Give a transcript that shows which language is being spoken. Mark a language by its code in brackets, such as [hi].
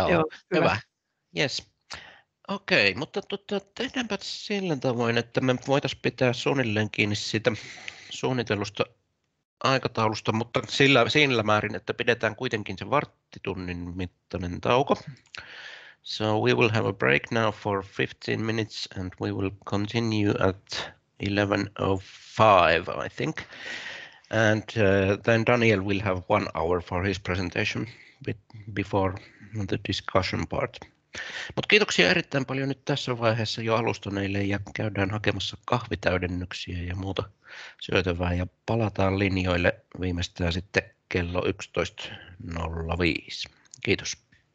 [fi] Joo, hyvä. Yes. Okei, mutta tehdäänpä sillä tavoin, että me voitaisiin pitää suunnilleen kiinni siitä suunnitelusta aikataulusta, mutta sillä määrin, että pidetään kuitenkin se varttitunnin mittainen tauko. [en] So we will have a break now for 15 minutes and we will continue at 11:05, I think. And then Daniel will have 1 hour for his presentation before the discussion part. [fi] Mut kiitoksia erittäin paljon nyt tässä vaiheessa jo alustaneille, ja käydään hakemassa kahvitäydennyksiä ja muuta syötävää, ja palataan linjoille viimeistään sitten 11:05. Kiitos.